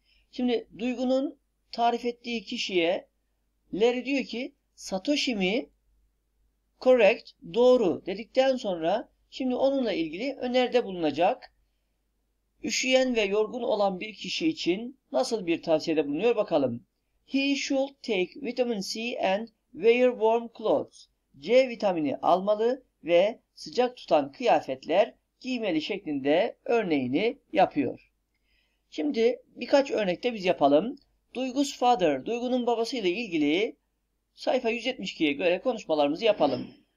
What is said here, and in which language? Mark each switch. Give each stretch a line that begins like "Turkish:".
Turkish: Şimdi Duygu'nun tarif ettiği kişiye Larry diyor ki Satoshi mi? Correct, doğru dedikten sonra şimdi onunla ilgili öneride bulunacak. Üşüyen ve yorgun olan bir kişi için nasıl bir tavsiyede bulunuyor bakalım.
English: He should take vitamin C and wear warm clothes.
Turkish: C vitamini almalı ve sıcak tutan kıyafetler giymeli şeklinde örneğini yapıyor. Şimdi birkaç örnekte biz yapalım. Duygu's father, Duygu'nun babasıyla ilgili sayfa 172'ye göre konuşmalarımızı yapalım.